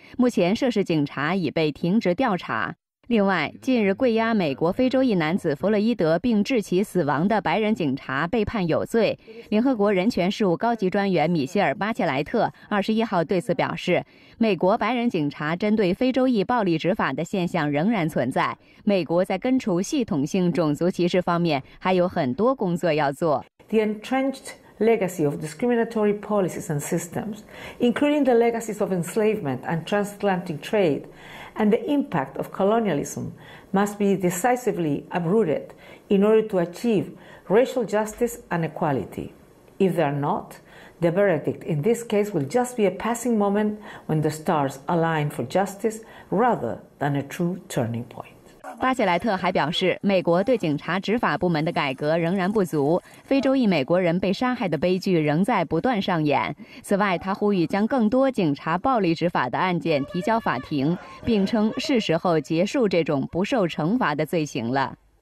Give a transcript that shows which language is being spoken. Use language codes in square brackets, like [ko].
[zh] 目前涉事警察已被停职调查。另外，近日跪押美国非洲裔男子弗洛伊德并致其死亡的白人警察被判有罪。联合国人权事务高级专员米歇尔·巴切莱特21号对此表示，美国白人警察针对非洲裔暴力执法的现象仍然存在，美国在根除系统性种族歧视方面还有很多工作要做。 [en] The entrenched legacy of discriminatory policies and systems, including the legacies of enslavement and transatlantic trade. And the impact of colonialism must be decisively uprooted in order to achieve racial justice and equality. If they are not, the verdict in this case will just be a passing moment when the stars align for justice rather than a true turning point. [zh] 巴切莱特还表示，美国对警察执法部门的改革仍然不足，非洲裔美国人被杀害的悲剧仍在不断上演。此外，他呼吁将更多警察暴力执法的案件提交法庭，并称是时候结束这种不受惩罚的罪行了。